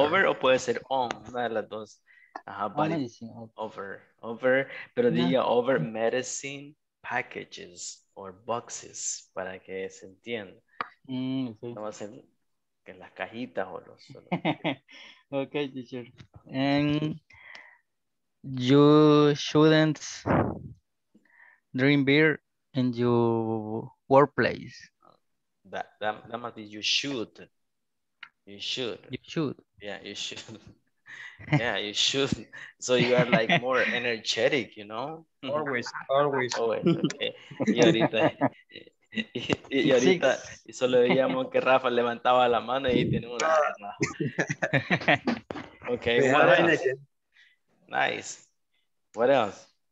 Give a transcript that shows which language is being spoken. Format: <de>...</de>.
<es>Over o puede ser on, una de las dos. Ajá,</es> <en>body.</en> <es>Over, over, pero no. Diga</es> <en>over medicine packages or boxes</en> <es>para que se entienda. Sí. No va a ser que las cajitas o los.</es> <en>Ok, teacher. And you shouldn't drink beer in your workplace. That must be you should. You should. You should. Yeah, you should. Yeah, you should. So you are like more energetic, you know? Always, always. Always, okay.</en> <es>Y ahorita, y ahorita y solo veíamos que Rafa levantaba la mano y tenía una.</es> <en>Okay, what else? Nice. What else?</en>